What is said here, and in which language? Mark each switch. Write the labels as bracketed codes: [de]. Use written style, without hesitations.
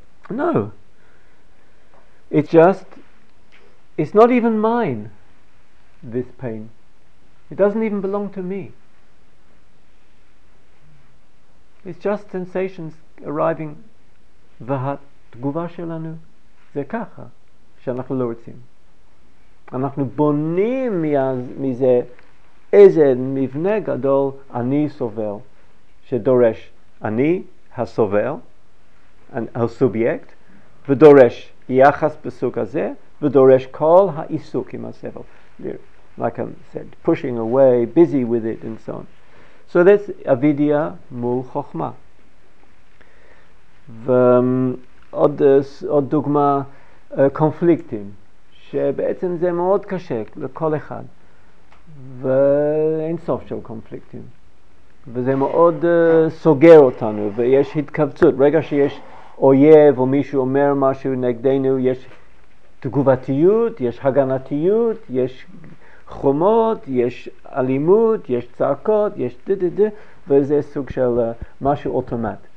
[en] No, it's not even mine, this pain. It doesn't even belong to me. It's just sensations arriving. [he] והתגובה שלנו זה ככה, שאנחנו לא רוצים. אנחנו בונים מזה איזה מבנה גדול, אני סובל, שדורש אני הסובל, הסובייקט, ודורש יחס בסוג הזה, ודורש כל העיסוק עם הסבל. [en] like I said, pushing away, busy with it, and so on. So that's [he] avidya mul chokhma. Od dugma konfliktim, שבעצם זה מאוד קשה לכל אחד, ואין סוף של קונפליקטים, וזה מאוד סוגר אותנו, ויש התכווצות. רגע שיש אויב או מישהו אומר משהו נגדנו, יש תגובתיות, יש הגנתיות, יש חומות, יש אלימות, יש צעקות, יש וזה סוג של משהו אוטומט.